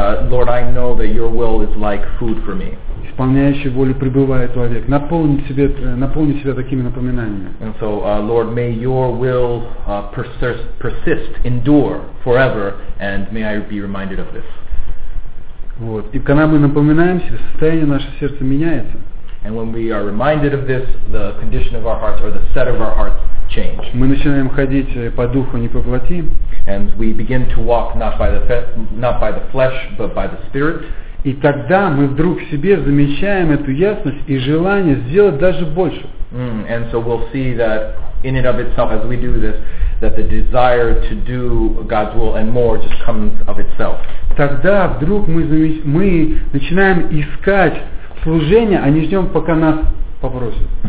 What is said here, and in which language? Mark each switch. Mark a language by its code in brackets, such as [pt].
[en] Lord, I know that your will is like food for me. [ru] Исполняющий волю пребывает вовек. Наполни себя такими напоминаниями. [en] And so, Lord, may your will persist, endure forever, and may I be reminded of this. [ru] Вот. И когда мы напоминаем себе, состояние нашего сердца меняется. [en] And when we are reminded of this, the condition of our hearts or the set of our hearts change. [ru] Мы начинаем ходить по духу, не по плоти. [en] And we begin to walk not by the flesh, but by the spirit. [ru] И тогда мы вдруг в себе замечаем эту ясность и желание сделать даже больше. [en] And so we'll see that in and of itself, as we do this, that the desire to do God's will and more just comes of itself. [ru] Тогда вдруг мы начинаем искать служение, а не ждем, пока нас попросят.